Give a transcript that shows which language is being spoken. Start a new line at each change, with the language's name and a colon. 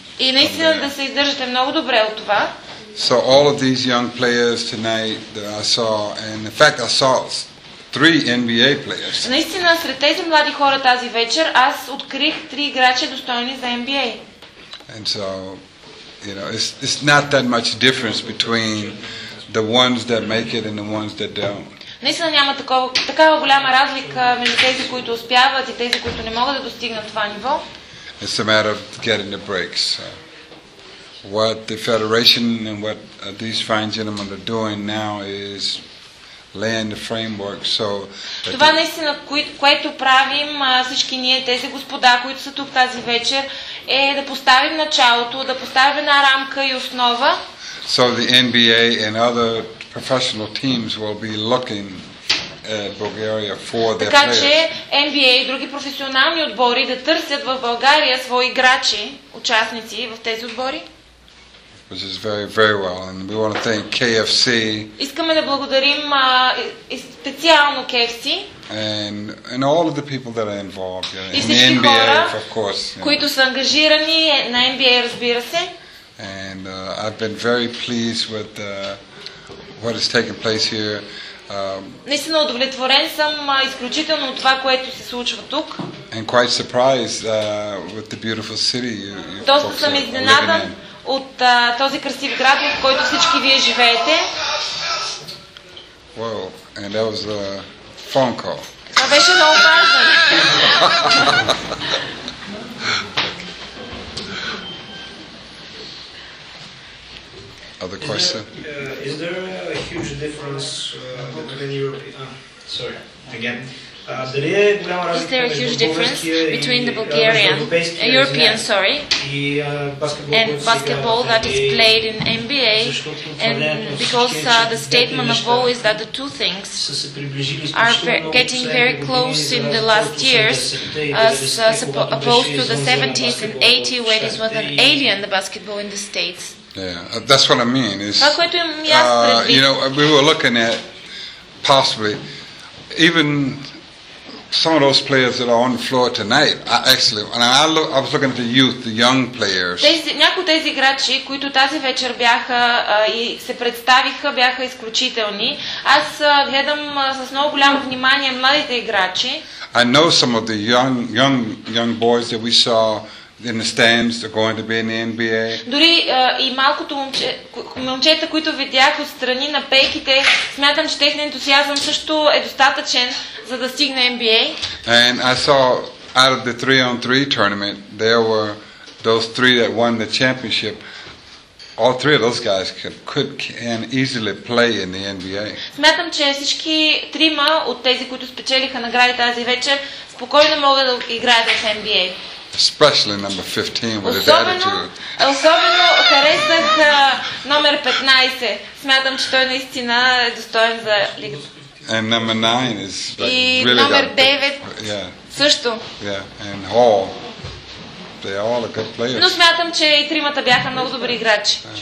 Bulgarian: И наистина да се издържате много добре от това.
English: So all of these young players tonight that I saw, and in fact I saw 3 NBA players.
Bulgarian: Наистина сред тези млади хора тази вечер аз открих 3 играча достойни за NBA.
English: And so you know, it's not that much difference between the ones that make it and the ones that don't.
Bulgarian: Наистина няма такава голяма разлика между тези, които успяват и тези, които не могат да достигнат това ниво.
English: It's a matter of getting the breaks. What the Federation and what these fine gentlemen are doing now is laying the framework. So
Bulgarian: това наистина, което правим всички ние, тези господа, които са тук тази вечер, е да поставим началото, да поставим една рамка и основа.
English: So the NBA and other professional teams will be looking at Bulgaria for their players.
Bulgarian: Така че NBA и други професионални отбори да търсят в България свои играчи, участници в тези отбори.
English: Which is very, very well. And we want to thank KFC.
Bulgarian: Искаме да благодарим специално KFC.
English: And all of the people that are involved.
Bulgarian: И всички хора,
English: of course,
Bulgarian: които са ангажирани на NBA, разбира се.
English: And I've been very pleased with what has taken place here.
Bulgarian: Наистина удовлетворен съм изключително от това, което се случва тук.
English: And quite surprised with the beautiful city you
Bulgarian: Доста съм изненадан от този красив град, в който всички вие живеете.
English: Well, and that was a phone call.
Bulgarian: Това беше много важно.
English: Other question? Is there a huge difference between Is there a huge difference between the Bulgarian, European, sorry, and basketball that is played in NBA? And because the statement of all is that the two things are getting very close in the last years, as opposed to the 70s and 80s, when it was an alien, the basketball in the States. Yeah, that's what I mean. Is you know, we were looking at possibly even some of those players that are on the floor tonight. I was looking at the youth, the young players.
Bulgarian: Някои тези играчи, които тази вечер бяха и се представиха, бяха изключителни. Аз гледам с много голямо внимание младите играчи.
English: I know some of the young boys that we saw in the stands are going to be in the NBA.
Bulgarian: Дори и малкото момчета, които видях отстрани на пейките, смятам, че техният ентусиазъм също е достатъчен, за да стигне NBA.
English: And I saw out of the 3-on-3 tournament, there were those three that won the championship. All three of those guys could can easily play in the NBA.
Bulgarian: Смятам, че всички трима от тези, които спечелиха награди тази вечер, спокойно могат да играят в NBA.
English: Especially number 15 with his attitude.
Bulgarian: Особено харесах номер 15. Смятам, че той наистина е достоен за лигата.
English: And number 9 is really number 9
Bulgarian: също.
English: Yeah. And Hall. They are all good players.
Bulgarian: Но смятам, че и тримата бяха много добри играчи.